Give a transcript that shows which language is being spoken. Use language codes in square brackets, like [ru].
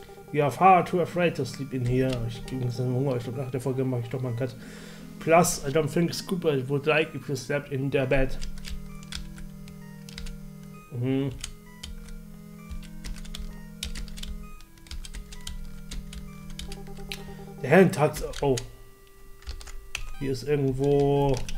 [en] You are far too afraid to sleep in here. [de] Ich ging ein bisschen Hunger, ich glaube nach der Folge mache ich doch mal einen Cut. [en] Plus, I don't think Scooper would like if you slept in their bed. Mhm. [de] Der Herr tags. Oh. Hier ist irgendwo.